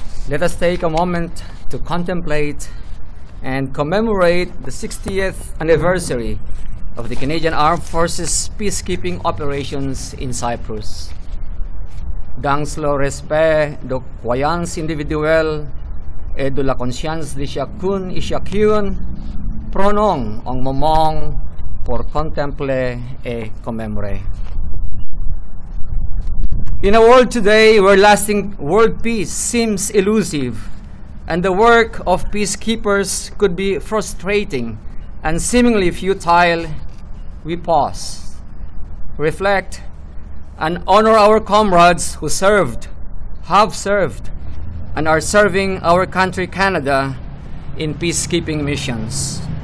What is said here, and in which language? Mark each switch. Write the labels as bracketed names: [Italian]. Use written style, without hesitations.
[English] Let us take a moment to contemplate and commemorate the 60th anniversary of the Canadian Armed Forces peacekeeping operations in Cyprus. [French] Dans le respect de croyances individuelles et de la conscience de chacun et chacune, prenons un moment pour contempler et commémorer. [English] In a world today where lasting world peace seems elusive and the work of peacekeepers could be frustrating and seemingly futile, we pause, reflect, and honor our comrades who served, have served, and are serving our country Canada in peacekeeping missions.